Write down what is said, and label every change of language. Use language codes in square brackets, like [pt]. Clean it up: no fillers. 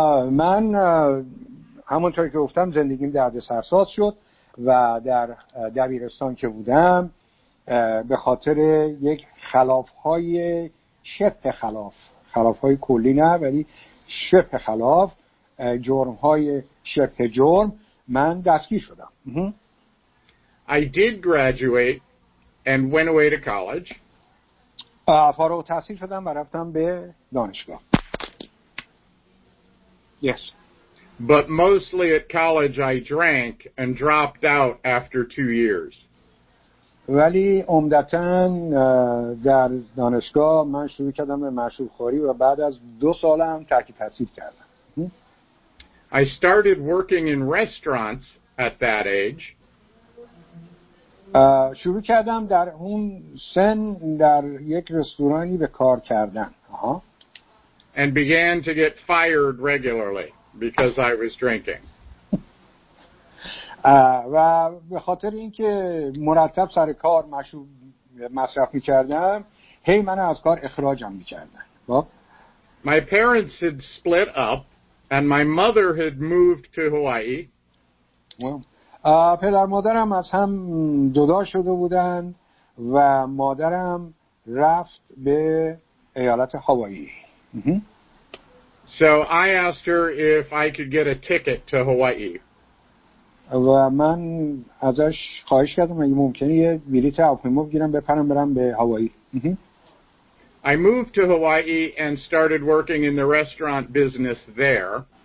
[fa] من همونطور که گفتم زندگیم دردسرساز شد و در دبیرستان که بودم به خاطر یک خلاف‌های شبه خلاف، خلاف‌های کلی نه ولی شبه خلاف، جرم‌های شبه جرم، من دستگیر شدم. [en] I did graduate and went away to college. [fa] فارغ التحصیل شدم و رفتم به دانشگاه. [en] Yes. But mostly at college I drank and dropped out after 2 years. [fa] ولی عمدتاً در دانشگاه من شروع کردم به مشروب خوری و بعد از 2 سال هم ترک تحصیل کردم. [en] I started working in restaurants at that age. [fa] شروع کردم در اون سن در یک رستورانی به کار کردن. [en] And began to get fired regularly because I was drinking. [fa] و به خاطر اینکه مرتب سر کار مشروب مصرف می‌کردم، هی منو از کار اخراجم می‌کردن. [en] My parents had split up and my mother had moved to Hawaii. [fa] پدر مادرم از هم جدا شده بودن و مادرم رفت به ایالت هاوایی. [en] So I asked her if I could get a ticket to Hawaii. [fa] و من ازش خواهش کردم اگه ممکنه یه بلیط هواپیما بگیرم بپرم برم به هاوایی. [en] I moved to Hawaii and started working in the restaurant business there.